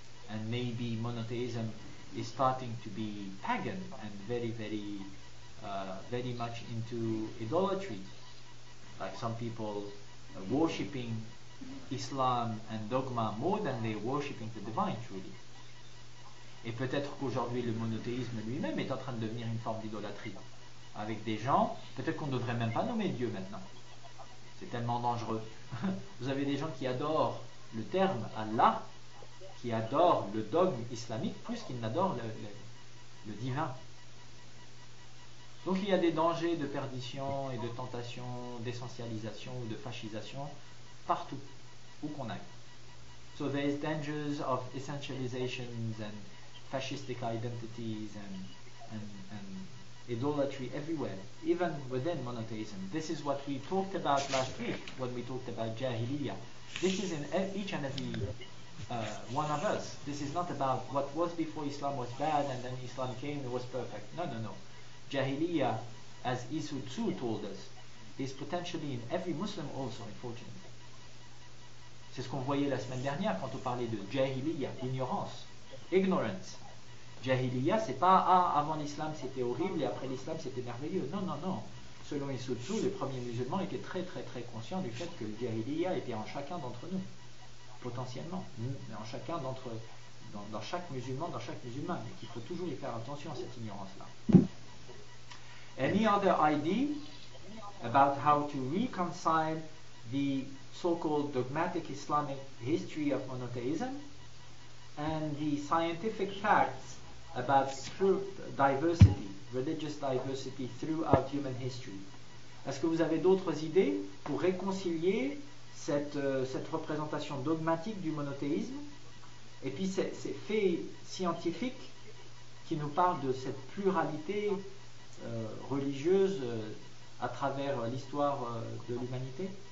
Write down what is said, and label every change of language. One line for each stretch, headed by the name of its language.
English: And maybe monotheism is starting to be pagan and very, very, very much into idolatry, like some people worshipping Islam and dogma more than they worshipping the divine truly.
French: Et peut-être qu'aujourd'hui le monothéisme lui-même est en train de devenir une forme d'idolâtrie avec des gens, peut-être qu'on ne devrait même pas nommer Dieu maintenant, c'est tellement dangereux. Vous avez des gens qui adorent le terme Allah, qui adorent le dogme islamique plus qu'ils n'adorent le divin. Donc il y a des dangers de perdition et de tentation, d'essentialisation ou de fascisation partout où qu'on aille.
English: So there is dangers of essentializations and fascistic identities and idolatry everywhere, even within monotheism. This is what we talked about last week when we talked about Jahiliyyah. This is in each and every one of us. This is not about what was before Islam was bad and then Islam came and was perfect. No. Jahiliyyah, as Isu Tzu told us, is potentially in every Muslim also, unfortunately.
French: C'est ce qu'on voyait la semaine dernière quand on parlait de Jahiliyyah, ignorance, ignorance. Jahiliyyah, c'est pas avant l'islam c'était horrible et après l'islam c'était merveilleux. Non. Selon Isu Tzu, les premiers musulmans étaient très très très conscients du fait que le Jahiliyyah était en chacun d'entre nous, potentiellement, mais en chacun d'entre eux, dans chaque musulman, dans chaque musulmane, et qu'il faut toujours y faire attention à cette ignorance-là.
English: Any other idea about how to reconcile the so-called dogmatic Islamic history of monotheism and the scientific facts about diversity, religious diversity throughout human history?
French: Est-ce que vous avez d'autres idées pour réconcilier cette représentation dogmatique du monotheisme et puis ces faits scientifiques qui nous parlent de cette pluralité religieuse à travers l'histoire de l'humanité?